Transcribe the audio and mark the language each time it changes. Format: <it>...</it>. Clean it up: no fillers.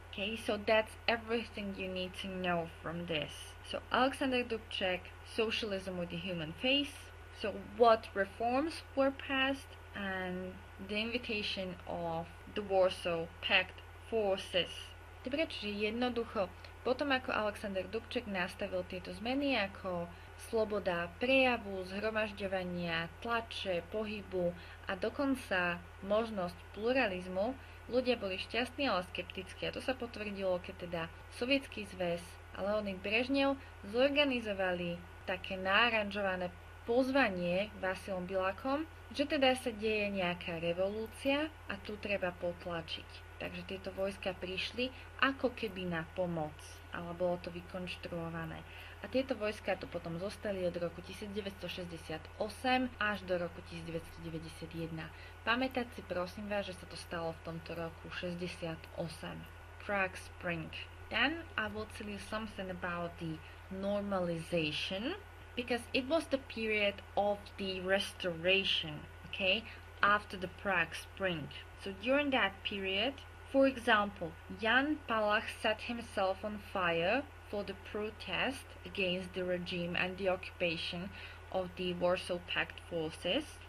<en>Okay, so that's everything you need to know from this. So Alexander Dubček, socialism with the human face, so what reforms were passed, and the invitation of the Warsaw Pact forces.</en> <sk>Dobre, čiže jednoducho, potom ako Alexander Dubček nastavil tieto zmeny ako sloboda prejavu, zhromažďovania, tlače, pohybu a dokonca možnosť pluralizmu, ľudia boli šťastní, ale skeptickí. A to sa potvrdilo, keď teda Sovietský zväz a Leonid Brežnev zorganizovali také náranžované pozvanie Vasilom Bilakom, že teda sa deje nejaká revolúcia a tu treba potlačiť. Takže tieto vojska prišli ako keby na pomoc, ale bolo to vykonštruované. A tieto vojska tu potom zostali od roku 1968 až do roku 1991. Pamätať si prosím vás, že sa to stalo v tomto roku 68.</sk> <en>Prague Spring. Then I will tell you something about the normalization, because it was the period of the restoration, okay, after the Prague Spring. So during that period, for example, Jan Palach set himself on fire for the protest against the regime and the occupation of the Warsaw Pact forces.</en>